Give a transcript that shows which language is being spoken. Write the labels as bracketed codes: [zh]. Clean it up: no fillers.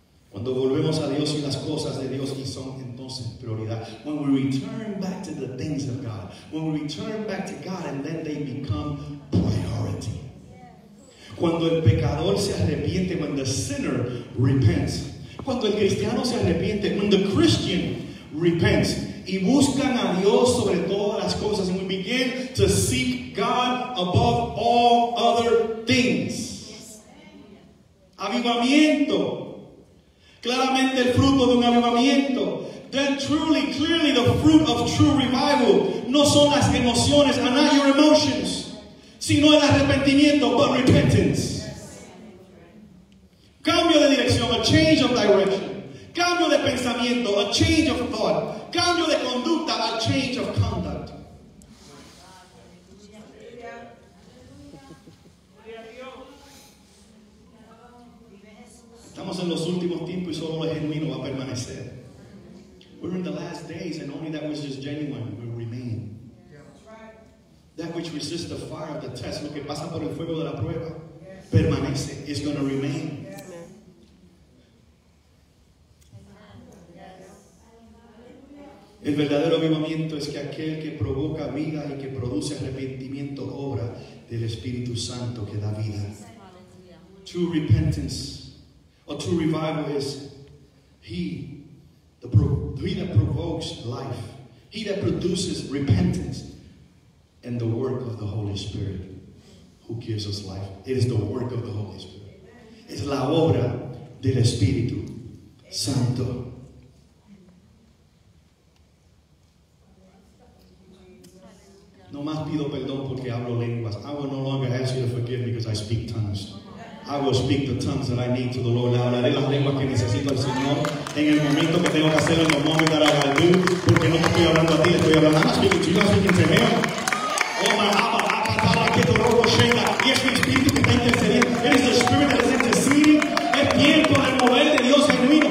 [es] Cuando volvemos a Dios y las cosas de Dios y son entonces prioridad. [en] When we return back to the things of God. When we return back to God and then they become priority. [es] Cuando el pecador se arrepiente, [en] when the sinner repents. [es] Cuando el cristiano se arrepiente, [en] when the Christian repents. [es] Y buscan a Dios sobre todas las cosas. [en] And we begin to seek God above all other things. [es] Avivamiento. Claramente el fruto de un avivamiento. [en] Then truly, clearly the fruit of true revival. [es] No son las emociones, [en] are not your emotions. [es] Sino el arrepentimiento, [en] but repentance. [es] Cambio de dirección, [en] a change of direction. [es] Cambio de pensamiento, [en] a change of thought. [es] Cambio de conducta, [en] a change of conduct. [es] Estamos en los últimos tiempos y solo lo genuino va a permanecer. [en] We're in the last days and only that which is genuine will remain. That which resists the fire of the test, [es] lo que pasa por el fuego de la prueba, permanece, [en] is going to remain. [es] El verdadero avivamiento es que aquel que provoca vida y que produce arrepentimiento obra del Espíritu Santo que da vida. [en] True repentance or true revival is he that provokes life, he that produces repentance and the work of the Holy Spirit who gives us life. It is the work of the Holy Spirit. [es] Es la obra del Espíritu Santo. No más pido perdón porque hablo lenguas. [en] I will no longer ask you to forgive because I speak tongues. I will speak the tongues that I need to the Lord. [es] Hablaré las lenguas que necesito al Señor en el momento que tengo que hacerlo, en el momento que haga el do, porque no estoy hablando a ti, estoy hablando a ti. [en] Speaking to you, I'm speaking to me. Oh my Abba, Abba, Abba, [es] que tu robo llega. Y es mi espíritu que está intercediendo. [en] It is the spirit that is interceding. [es] Es tiempo del mover de Dios en mí.